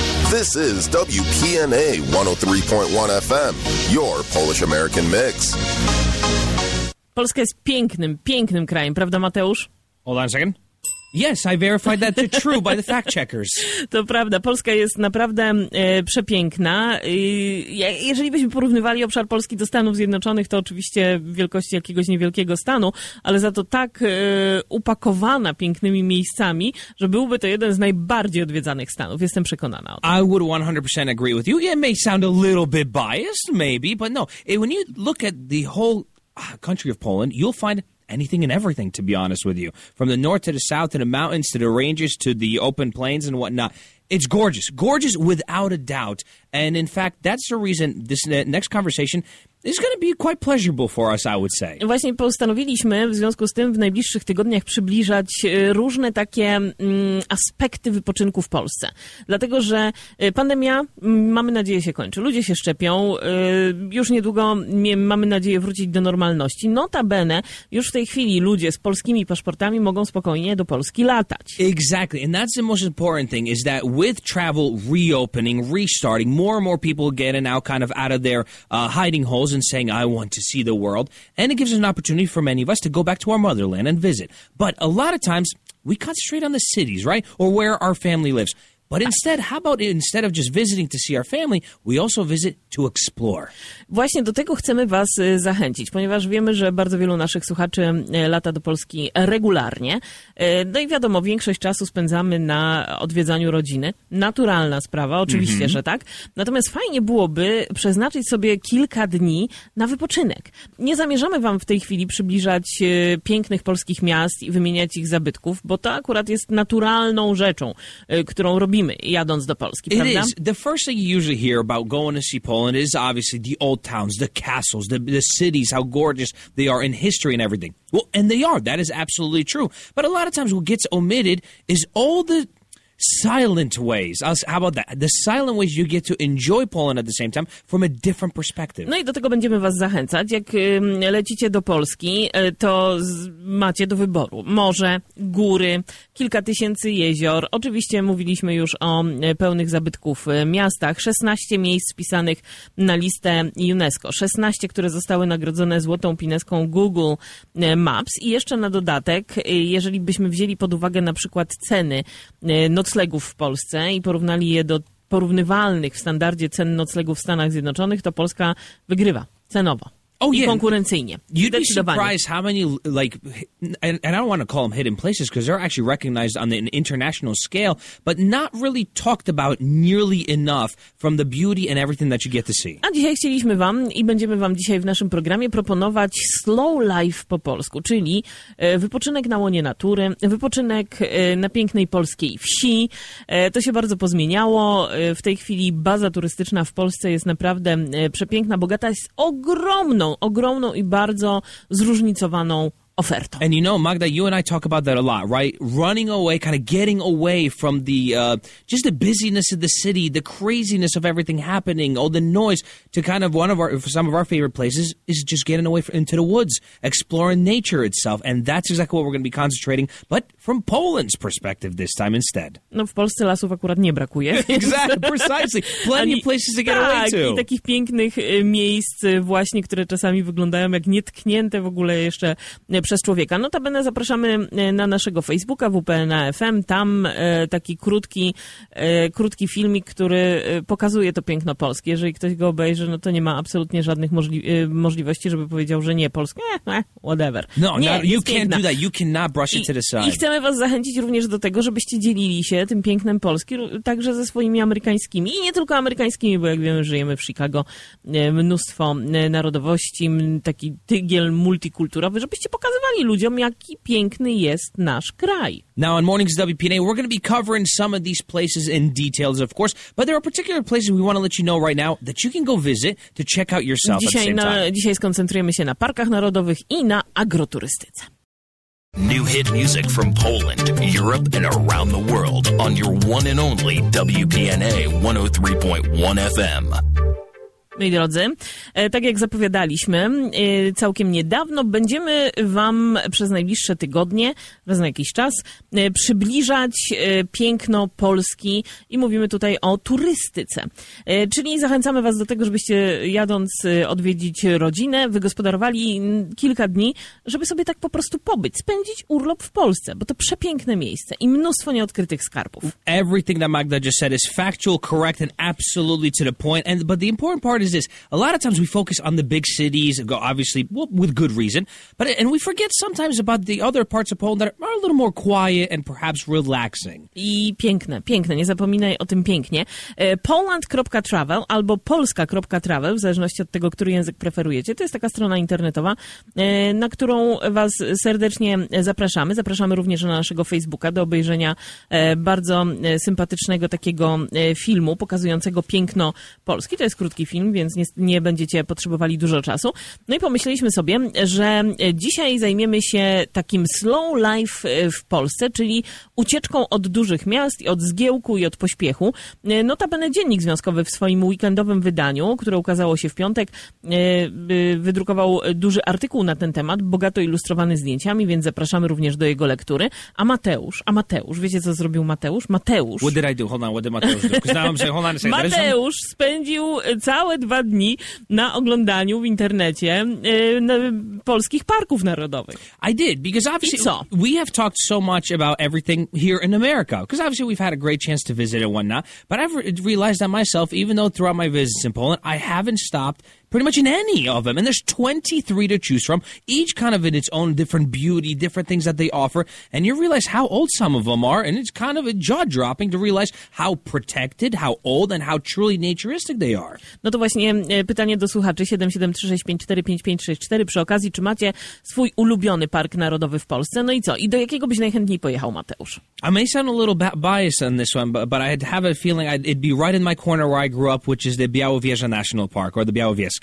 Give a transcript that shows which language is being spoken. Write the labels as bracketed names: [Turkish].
[English] This is WPNA 103.1 FM, your Polish-American mix. [Polish] Polska jest pięknym, pięknym krajem, prawda, Mateusz? [English] Hold on a second. Yes, I verified that to true by the fact checkers. [Polish] To prawda, Polska jest naprawdę przepiękna. Jeżeli byśmy porównywali obszar Polski do Stanów Zjednoczonych, to oczywiście wielkości jakiegoś niewielkiego stanu, ale za to tak upakowana pięknymi miejscami, że byłby to jeden z najbardziej odwiedzanych stanów. Jestem przekonana o tym. [English] I would 100% agree with you. It may sound a little bit biased, maybe, but no. When you look at the whole country of Poland, you'll find anything and everything, to be honest with you. From the north to the south, to the mountains, to the ranges, to the open plains and whatnot. It's gorgeous. Gorgeous without a doubt. And in fact, that's the reason this next conversation is going to be quite pleasurable for us, I would say. [Polish] Właśnie postanowiliśmy w związku z tym w najbliższych tygodniach przybliżać różne takie aspekty wypoczynku w Polsce. Dlatego, że pandemia, mamy nadzieję, się kończy. Ludzie się szczepią. Już niedługo mamy nadzieję wrócić do normalności. Notabene, już w tej chwili ludzie z polskimi paszportami mogą spokojnie do Polski latać. [English] Exactly. And that's the most important thing, is that with travel reopening, restarting, more and more people get in now kind of out of their hiding hole and saying, I want to see the world. And it gives us an opportunity for many of us to go back to our motherland and visit. But a lot of times, we concentrate on the cities, right? Or where our family lives. But instead, how about instead of just visiting to see our family, we also visit to explore. [Polish] Właśnie do tego chcemy was zachęcić, ponieważ wiemy, że bardzo wielu naszych słuchaczy lata do Polski regularnie. No i wiadomo, większość czasu spędzamy na odwiedzaniu rodziny. Naturalna sprawa, oczywiście, że tak. Natomiast fajnie byłoby przeznaczyć sobie kilka dni na wypoczynek. Nie zamierzamy wam w tej chwili przybliżać pięknych polskich miast i wymieniać ich zabytków, bo to akurat jest naturalną rzeczą, którą robimy. Jadąc do Polski, [English] it is. The first thing you usually hear about going to see Poland is obviously the old towns, the castles, the cities, how gorgeous they are in history and everything. Well, and they are. That is absolutely true. But a lot of times what gets omitted is all the silent ways. How about that? The silent ways you get to enjoy Poland at the same time from a different perspective. [Polish] No i do tego będziemy was zachęcać. Jak lecicie do Polski, to macie do wyboru morze, góry, kilka tysięcy jezior. Oczywiście mówiliśmy już o pełnych zabytków miastach. 16 miejsc wpisanych na listę UNESCO. 16, które zostały nagrodzone złotą pineską Google Maps. I jeszcze na dodatek, jeżeli byśmy wzięli pod uwagę na przykład ceny noclegów w Polsce i porównali je do porównywalnych w standardzie cen noclegów w Stanach Zjednoczonych, to Polska wygrywa cenowo. [English] Oh, i yeah. [Polish] Konkurencyjnie. [English] You'd be surprised how many, like, and I don't want to call them hidden places because they're actually recognized on an international scale, but not really talked about nearly enough from the beauty and everything that you get to see. [Polish] A dzisiaj chcieliśmy wam i będziemy wam dzisiaj w naszym programie proponować slow life po polsku, czyli wypoczynek na łonie natury, wypoczynek na pięknej polskiej wsi. To się bardzo pozmieniało. W tej chwili baza turystyczna w Polsce jest naprawdę przepiękna, bogata, jest ogromną i bardzo zróżnicowaną ofertą. [English] And you know, Magda, you and I talk about that a lot, right? Running away, kind of getting away from the just the busyness of the city, the craziness of everything happening, all the noise, to kind of some of our favorite places is just getting away into the woods, exploring nature itself. And that's exactly what we're going to be concentrating, but from Poland's perspective this time instead. [Polish] No, w Polsce lasów akurat nie brakuje. [English] Exactly, precisely. Plenty of places to get away to. [Polish] I takich pięknych miejsc właśnie, które czasami wyglądają jak nietknięte w ogóle jeszcze przez człowieka. Notabene zapraszamy na naszego Facebooka WPNA FM. Tam taki krótki filmik, który pokazuje to piękno Polski. Jeżeli ktoś go obejrzy, no to nie ma absolutnie żadnych możliwości, żeby powiedział, że nie, Polska, whatever. No, nie, [English] you can't do that. You cannot brush it to the side. [Polish] I chcemy was zachęcić również do tego, żebyście dzielili się tym pięknem Polski także ze swoimi amerykańskimi i nie tylko amerykańskimi, bo jak wiemy, żyjemy w Chicago. Mnóstwo narodowości, taki tygiel multikulturowy, żebyście pokazywali ludziom, jaki piękny jest nasz kraj. [English] Now on Mornings WPNA, we're going to be covering some of these places in details, of course, but there are particular places we want to let you know right now that you can go visit to check out yourself [Polish] dzisiaj [English] at the same time. [Polish] Dzisiaj skoncentrujemy się na parkach narodowych i na agroturystyce. [English] New hit music from Poland, Europe and around the world on your one and only WPNA 103.1 FM. [Polish] Moi drodzy, tak jak zapowiadaliśmy całkiem niedawno, będziemy wam przez najbliższe tygodnie, raz na jakiś czas, przybliżać piękno Polski i mówimy tutaj o turystyce. Czyli zachęcamy was do tego, żebyście jadąc odwiedzić rodzinę, wygospodarowali kilka dni, żeby sobie tak po prostu pobyć, spędzić urlop w Polsce, bo to przepiękne miejsce i mnóstwo nieodkrytych skarbów. [English] Everything that Magda just said is factual, correct and absolutely to the point. But the important part is this. A lot of times we focus on the big cities, obviously, well, with good reason, but and we forget sometimes about the other parts of Poland that are a little more quiet and perhaps relaxing. [Polish] I piękne, piękne, nie zapominaj o tym pięknie. Poland.travel albo polska.travel, w zależności od tego, który język preferujecie. To jest taka strona internetowa, na którą was serdecznie zapraszamy. Zapraszamy również na naszego Facebooka do obejrzenia bardzo sympatycznego takiego filmu pokazującego piękno Polski. To jest krótki film, więc nie będziecie potrzebowali dużo czasu. No i pomyśleliśmy sobie, że dzisiaj zajmiemy się takim slow life w Polsce, czyli ucieczką od dużych miast i od zgiełku i od pośpiechu. Notabene Dziennik Związkowy w swoim weekendowym wydaniu, które ukazało się w piątek, wydrukował duży artykuł na ten temat, bogato ilustrowany zdjęciami, więc zapraszamy również do jego lektury. A Mateusz, wiecie co zrobił Mateusz? Mateusz. [English] What did I do? Hold on, what did Mateusz do? Because now I'm saying, hold on a second. [Polish] Mateusz spędził całe dwa dni na oglądaniu w internecie polskich parków narodowych. [English] I did, because obviously we have talked so much about everything here in America, because obviously we've had a great chance to visit and whatnot, but I've realized that myself, even though throughout my visits in Poland, I haven't stopped pretty much in any of them. And there's 23 to choose from, each kind of in its own different beauty, different things that they offer. And you realize how old some of them are. And it's kind of a jaw-dropping to realize how protected, how old, and how truly naturistic they are. [Polish] No to właśnie pytanie do słuchaczy 773-654-5564. Przy okazji, czy macie swój ulubiony park narodowy w Polsce? No i co? I do jakiego byś najchętniej pojechał, Mateusz? [English] I may sound a little biased on this one, but I have a feeling it'd be right in my corner where I grew up, which is the Białowieża National Park, or the Białowieża.